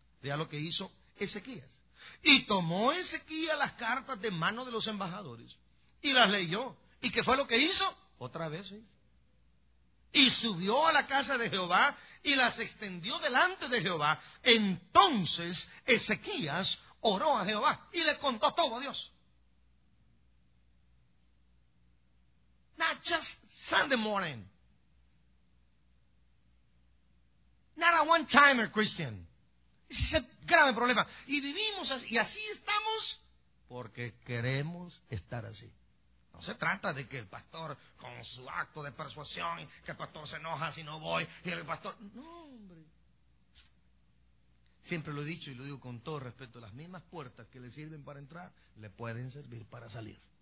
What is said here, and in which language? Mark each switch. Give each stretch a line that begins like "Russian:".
Spanish: Vea lo que hizo Ezequías. Y tomó Ezequías las cartas de mano de los embajadores y las leyó. ¿Y qué fue lo que hizo? Otra vez. ¿Sí? Y subió a la casa de Jehová y las extendió delante de Jehová. Entonces Ezequías oró a Jehová y le contó todo a Dios.
English: Not just Sunday morning. Not a one-timer, Christian.
Spanish: Ese es el grave problema. Y vivimos así, y así estamos porque queremos estar así. No se trata de que el pastor, con su acto de persuasión, que el pastor se enoja si no voy, y el pastor... No, hombre. Siempre lo he dicho y lo digo con todo respeto. Las mismas puertas que le sirven para entrar, le pueden servir para salir.